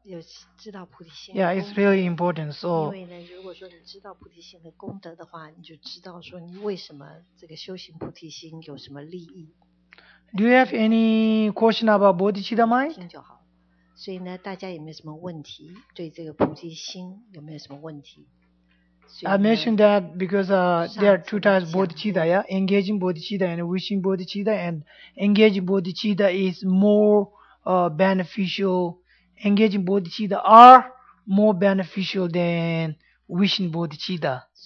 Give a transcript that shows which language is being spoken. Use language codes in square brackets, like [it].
[en] Yeah, it's really important. So, do you have any question about bodhicitta mind? [zh] 所以呢,大家有没有什么问题?对这个菩提心有没有什么问题? [en] I mentioned that because there are two types of bodhicitta, yeah? Engaging bodhicitta and wishing bodhicitta, and engaging bodhicitta is more beneficial. Engaging bodhicitta are more beneficial than wishing bodhicitta.